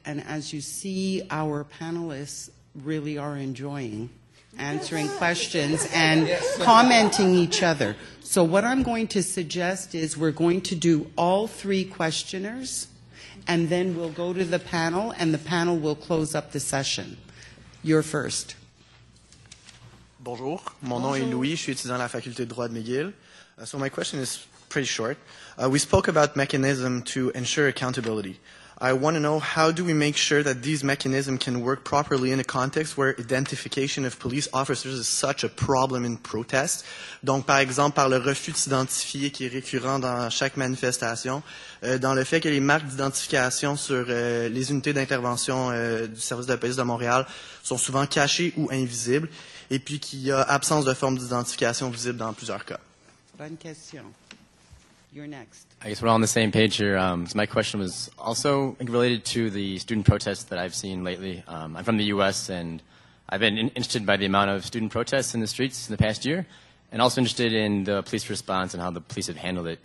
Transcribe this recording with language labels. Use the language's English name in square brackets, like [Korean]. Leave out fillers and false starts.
[English] And as you see, our panelists really are enjoying answering questions and commenting each other. So what I'm going to suggest is we're going to do all three questioners, and then we'll go to the panel, and the panel will close up the session. You're first. [French] Bonjour. Mon nom est Louis. Je suis étudiant à la faculté de droit de McGill. [English] So my question is pretty short. We spoke about mechanism to ensure accountability. I want to know, how do we make sure that these mechanisms can work properly in a context where identification of police officers is such a problem in protest? [French] Donc, par exemple, par le refus de s'identifier qui est récurrent dans chaque manifestation, dans le fait que les marques d'identification sur les unités d'intervention du service de police de Montréal sont souvent cachées ou invisibles, et puis qu'il y a absence de forme d'identification visible dans plusieurs cas. Bonne question. [English] You're next. I guess we're on the same page here. So my question was also related to the student protests that I've seen lately. I'm from the U.S., and I've been interested by the amount of student protests in the streets in the past year, and also interested in the police response and how the police have handled it.